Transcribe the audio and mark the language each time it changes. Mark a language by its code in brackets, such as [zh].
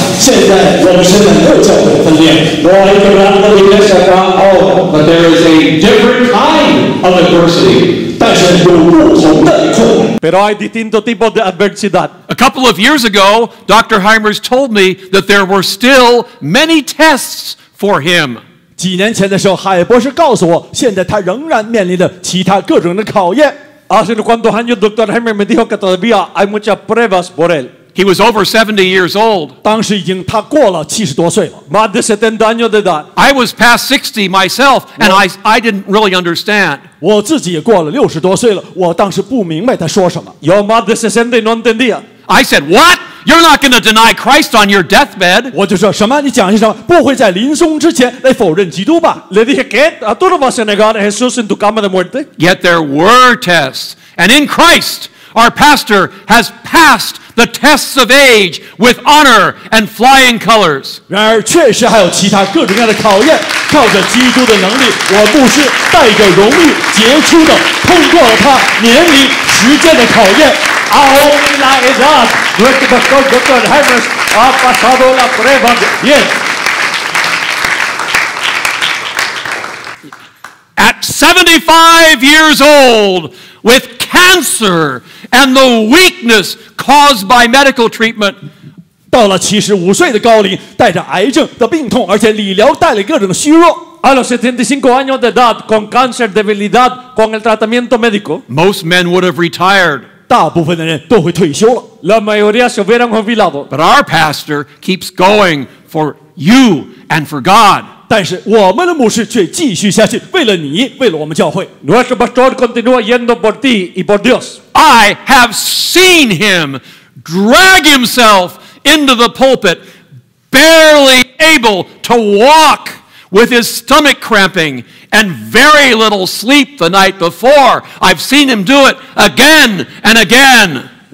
[zh] 现在我们现在没有教会分裂，我们一个大的一个小家伙。 [en] But there is a different kind of adversity. [zh] 但是有不同的困难. [es] Pero hay distinto tipo de adversidad. [en] A couple of years ago, Dr. Hymers told me that there were still many tests for him. [zh] 几年前的时候，海博士告诉我，现在他仍然面临着其他各种的考验. [es] Hace unos cuantos años, Dr. Hymers me dijo que todavía hay muchas pruebas por él. [en] He was over 70 years old. [zh] 当时已经他过了70多岁了. [es] Más de 70 años de edad. [en] I was past 60 myself, and I didn't really understand. [zh] 我自己也过了60多岁了，我当时不明白他说什么. [es] Yo más de 60 no entendía. [en] I said, "What? You're not going to deny Christ on your deathbed?" [zh] 我就说什么？你讲些什么？不会在临终之前来否认基督吧？ [es] Le dije que a todos vas a negar a Jesús en tu cama de muerte. [en] Yet there were tests, and in Christ, our pastor has passed the tests of age with honor and flying colors. [zh] 然而，确实还有其他各种各样的考验。靠着基督的能力，我牧师带着荣誉，杰出的通过了他年龄、时间的考验。 [es] A la edad, nuestro pastor Dr. Hymers ha pasado la prueba bien. [en] At 75 years old, with cancer and the weakness caused by medical treatment, [zh] 到了75岁的高龄，带着癌症的病痛，而且理疗带来各种的虚弱。 [es] A los 75 años de edad, con cáncer, debilidad, con el tratamiento médico, [en] most men would have retired. [es] La mayoría se hubieran jubilado. [en] But our pastor keeps going for you and for God. [zh] 但是我们的牧师却继续下去，为了你，为了我们教会。 [es] Nuestro pastor continúa yendo por ti y por Dios. [en] I have seen him drag himself into the pulpit, barely able to walk, with his stomach cramping and very little sleep the night before. I've seen him do it again and again.